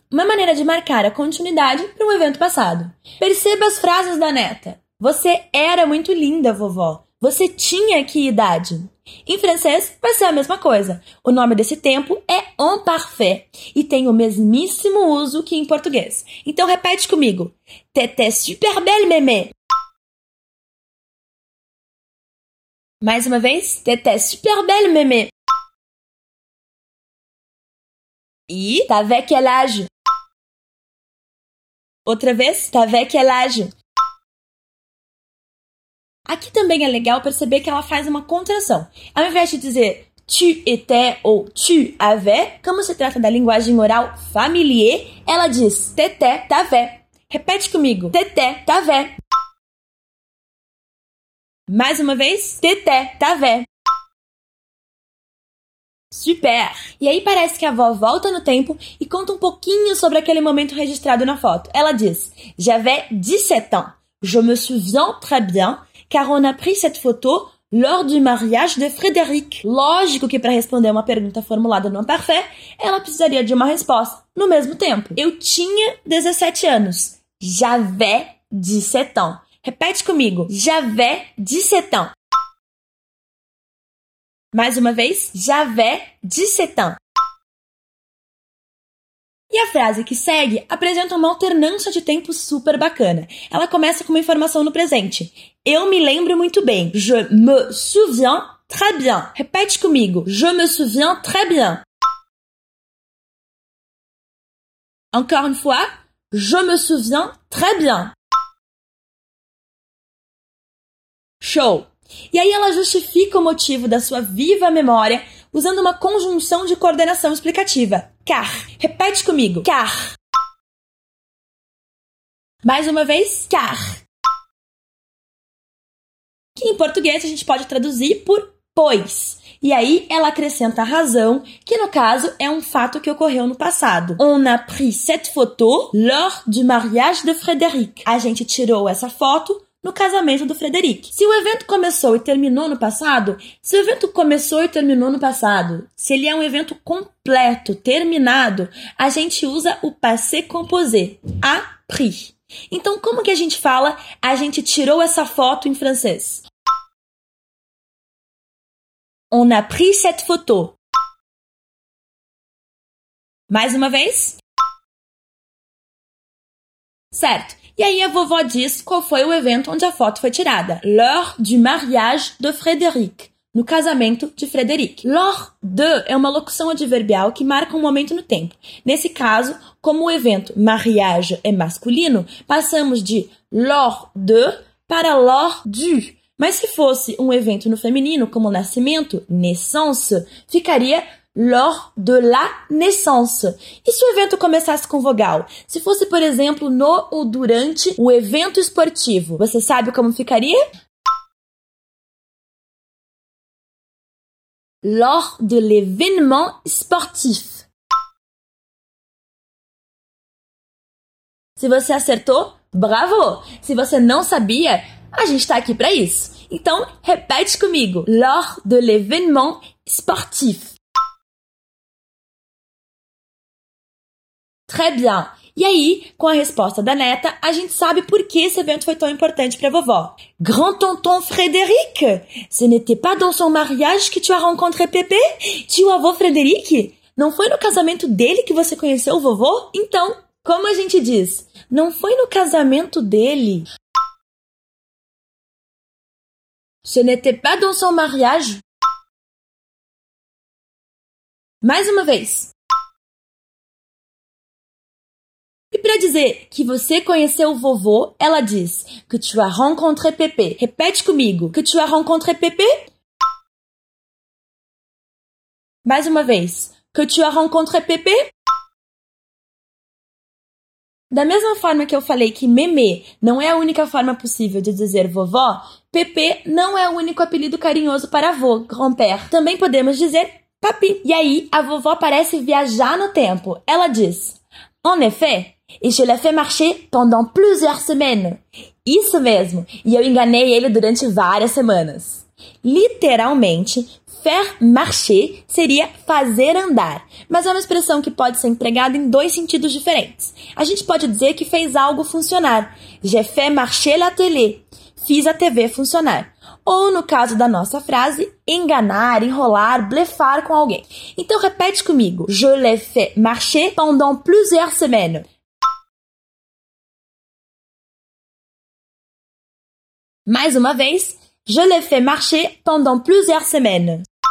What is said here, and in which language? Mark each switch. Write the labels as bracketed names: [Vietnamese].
[Portuguese] Uma maneira de marcar a continuidade para um evento passado. Perceba as frases da neta. Você era muito linda, vovó. Você tinha que idade? Em francês, vai ser a mesma coisa. O nome desse tempo é en parfait e tem o mesmíssimo uso que em português. Então, repete comigo. [French] T'étais super belle, mémé. [Portuguese] Mais uma vez. [French] T'étais super belle, mémé. E t'avais quel âge? [Portuguese] Outra vez. [French] T'avais quel âge? [Portuguese] Aqui também é legal perceber que ela faz uma contração. Ao invés de dizer [French] tu étais ou tu avais, [Portuguese] como se trata da linguagem oral familier, ela diz [French] t'étais, t'avais. [Portuguese] Repete comigo. [French] T'étais, t'avais. [Portuguese] Mais uma vez. [French] T'étais, t'avais. [Portuguese] Super! E aí parece que a avó volta no tempo e conta um pouquinho sobre aquele momento registrado na foto. Ela diz: [French] j'avais 17 ans. Je me souviens très bien. Car on a pris cette photo lors du mariage de Frédéric. [Portuguese] Lógico que para responder uma pergunta formulada no imparfait, ela precisaria de uma resposta no mesmo tempo. Eu tinha 17 anos. [French] J'avais 17 ans. [Portuguese] Repete comigo. [French] J'avais 17 ans. [Portuguese] Mais uma vez. [French] J'avais 17 ans. [Portuguese] E a frase que segue apresenta uma alternância de tempo super bacana. Ela começa com uma informação no presente. Eu me lembro muito bem. [French] Je me souviens très bien. [Portuguese] Repete comigo. [French] Je me souviens très bien. Encore une fois. Je me souviens très bien. [Portuguese] Show! E aí ela justifica o motivo da sua viva memória usando uma conjunção de coordenação explicativa. Car. Repete comigo. Car. Mais uma vez. Car. Que em português a gente pode traduzir por pois. E aí ela acrescenta a razão, que no caso é um fato que ocorreu no passado. [French] On a pris cette photo lors du mariage de Frédéric. [Portuguese] A gente tirou essa foto no casamento do Frédéric. Se o evento começou e terminou no passado, se o evento começou e terminou no passado, se ele é um evento completo, terminado, a gente usa o passé composé, a pris. Então, como que a gente fala a gente tirou essa foto em francês? [French] On a pris cette photo. [Portuguese] Mais uma vez. Certo. E aí a vovó diz qual foi o evento onde a foto foi tirada. [French] L'heure du mariage de Frédéric. [Portuguese] No casamento de Frédéric. L'heure de é uma locução adverbial que marca um momento no tempo. Nesse caso, como o evento mariage é masculino, passamos de l'heure de para l'heure du. Mas se fosse um evento no feminino, como nascimento, naissance, ficaria [French] lors de la naissance. [Portuguese] E se o evento começasse com vogal? Se fosse, por exemplo, no ou durante o evento esportivo, você sabe como ficaria? [French] Lors de l'événement sportif. [Portuguese] Se você acertou, bravo! Se você não sabia, a gente está aqui para isso. Então, repete comigo. [French] Lors de l'événement sportif. Très bien. [Portuguese] E aí, com a resposta da neta, a gente sabe por que esse evento foi tão importante para a vovó. [French] Grand tonton Frédéric, ce n'était pas dans son mariage que tu as rencontré Pépé? [Portuguese] Tio avô Frédéric, não foi no casamento dele que você conheceu o vovô? Então, como a gente diz, não foi no casamento dele? [French] Ce n'était pas dans son mariage? [Portuguese] Mais uma vez. Para dizer que você conheceu o vovô, ela diz que tu as rencontré Pépé. Repete comigo. [French] Que tu as rencontré Pépé? [Portuguese] Mais uma vez. [French] Que tu as rencontré Pépé? [Portuguese] Da mesma forma que eu falei que mémé não é a única forma possível de dizer vovó, Pépé não é o único apelido carinhoso para avô, grand-père. Também podemos dizer papi. E aí, a vovó parece viajar no tempo. Ela diz: [French] En effet, et je l'ai fait marcher pendant plusieurs semaines. [Portuguese] Isso mesmo, e eu enganei ele durante várias semanas. Literalmente, faire marcher seria fazer andar, mas é uma expressão que pode ser empregada em dois sentidos diferentes. A gente pode dizer que fez algo funcionar. [French] J'ai fait marcher la télé. [Portuguese] Fiz a TV funcionar. Ou, no caso da nossa frase, enganar, enrolar, blefar com alguém. Então, repete comigo. [French] Je l'ai fait marcher pendant plusieurs semaines. [Portuguese] Mais uma vez. [French] Je l'ai fait marcher pendant plusieurs semaines.